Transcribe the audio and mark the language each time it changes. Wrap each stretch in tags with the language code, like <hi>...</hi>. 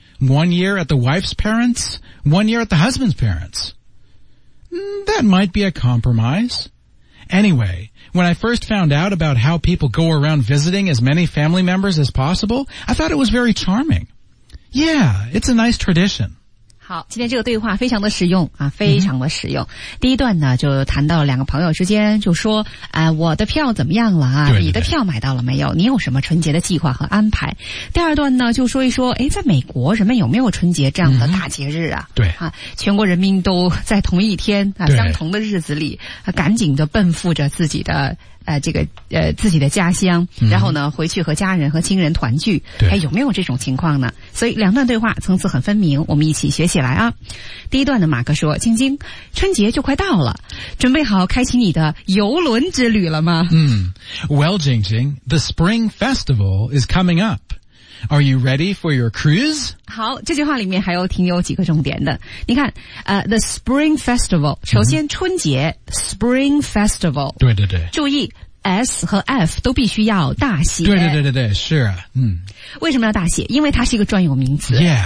<en>1 year at the wife's parents, 1 year at the husband's parents. That might be a compromise. Anyway... When I first found out about how people go around visiting as many family members as possible, I thought it was very charming. Yeah, it's a nice tradition.</en> <zh>好，今天这个对话非常的实用啊，非常的实用。 Mm-hmm. 第一段呢，就谈到两个朋友之间，就说，我的票怎么样了啊？对对对，你的票买到了没有？你有什么春节的计划和安排？第二段呢，就说一说，哎，在美国人们有没有春节这样的大节日啊？ Mm-hmm. 对啊，全国人民都在同一天啊，相同的日子里，啊、赶紧的奔赴着自己的。自己的家乡、嗯、然后呢回去和家人和亲人团聚，还有没有这种情况呢？所以两段对话层次很分明，我们一起学起来啊。第一段的马克说，晶晶，春节就快到了，准备好开启你的游轮之旅了吗？</zh> <en>嗯 Well, Jingjing, the Spring Festival is coming up. Are you ready for your cruise?</en> <zh>好，这句话里面还有挺有几个重点的。你看the Spring Festival, 首先春节、嗯、Spring Festival, 对对对，注意 S 和 F 都必须要大写。对对对对对，是啊，嗯。为什么要大写？因为它是一个专有名词。</zh>